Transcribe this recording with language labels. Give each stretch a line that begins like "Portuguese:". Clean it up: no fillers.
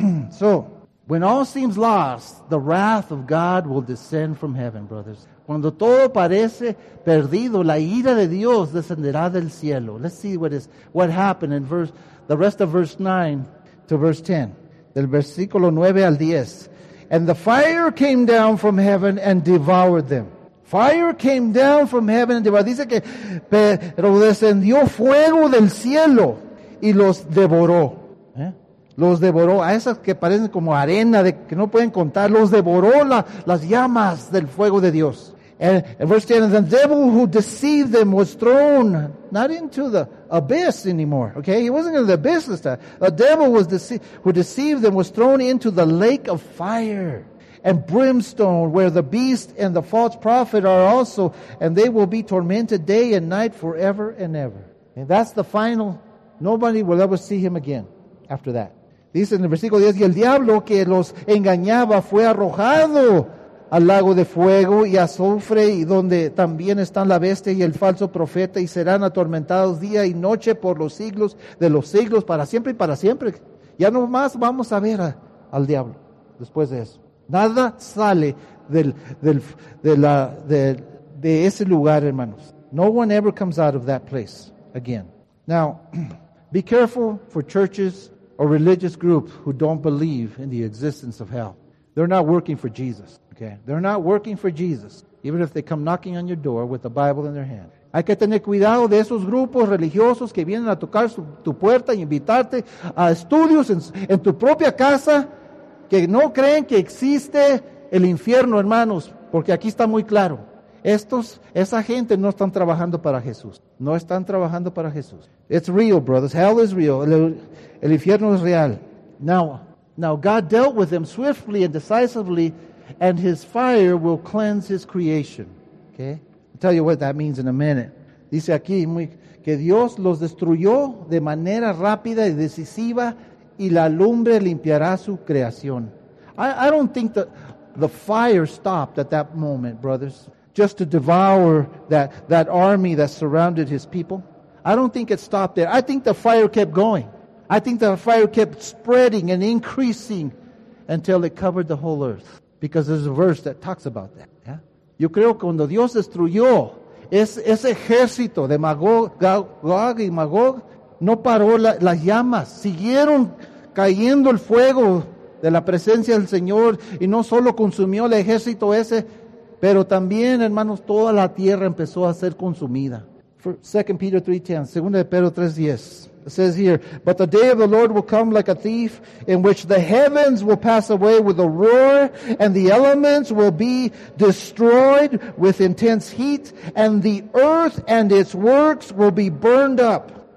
English: So, when all seems lost, the wrath of God will descend from heaven, brothers.
Spanish: Cuando todo parece perdido, la ira de Dios descenderá del cielo.
English: Let's see what happened in the rest of verse 9 to verse 10.
Spanish: Del versículo 9 al 10.
English: And the fire came down from heaven and devoured them. Fire came down from heaven and devoured.
Spanish: Dice que, pero descendió fuego del cielo y los devoró. ¿Eh? Los devoró. A esas que parecen como arena, de que no pueden contar. Los devoró las llamas del fuego de Dios.
English: And verse 10, the devil who deceived them was thrown not into the abyss anymore. Okay, he wasn't in the abyss this time. The devil who deceived them was thrown into the lake of fire and brimstone, where the beast and the false prophet are also, and they will be tormented day and night forever and ever. And that's the final. Nobody will ever see him again after that.
Spanish: Dice en el versículo 10, y el diablo que los engañaba fue arrojado al lago de fuego y azufre, y donde también están la bestia y el falso profeta, y serán atormentados día y noche por los siglos de los siglos, para siempre y para siempre. Ya no más vamos a ver al diablo después de eso. Nada sale de ese lugar, hermanos.
English: No one ever comes out of that place again. Now, be careful for churches or religious groups who don't believe in the existence of hell. They're not working for Jesus. Okay. They're not working for Jesus, even if they come knocking on your door with a Bible in their hand.
Spanish: Hay que tener cuidado de esos grupos religiosos que vienen a tocar tu puerta y invitarte a estudios en tu propia casa, que no creen que existe el infierno, hermanos, porque aquí está muy claro. Esa gente no están trabajando para Jesús. No están trabajando para Jesús.
English: It's real, brothers. Hell is real.
Spanish: El infierno es real.
English: Now God dealt with them swiftly and decisively, and his fire will cleanse his creation. Okay? I'll tell you what that means in a minute.
Spanish: Dice aquí que Dios los destruyó de manera rápida y decisiva, y la lumbre limpiará su creación.
English: I don't think the fire stopped at that moment, brothers, just to devour that army that surrounded his people. I don't think it stopped there. I think the fire kept going. I think the fire kept spreading and increasing until it covered the whole earth. Because there's a verse that talks about that. Yeah?
Spanish: Yo creo que cuando Dios destruyó ese ejército de Magog y Magog, no paró las llamas. Siguieron cayendo el fuego de la presencia del Señor, y no solo consumió el ejército ese, pero también, hermanos, toda la tierra empezó a ser consumida. 2 Peter 3:10, 2 Pedro 3:10.
English: says here, but the day of the Lord will come like a thief, in which the heavens will pass away with a roar, and the elements will be destroyed with intense heat, and the earth and its works will be burned up.